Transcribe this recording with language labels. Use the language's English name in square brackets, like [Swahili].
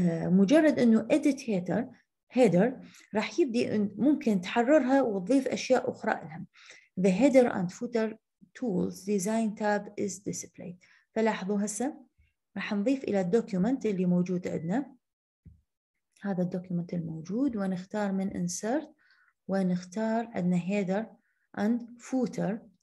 [Arabic] مجرد أنه edit header راح يبدي ممكن تحررها وتضيف أشياء أخرى لها. [English] The header and footer tools design tab is displayed. [Arabic] فلاحظوا هسه راح نضيف إلى الدوكيومنت اللي موجود عندنا، هذا الدوكيومنت الموجود، ونختار من insert ونختار عندنا header and footer.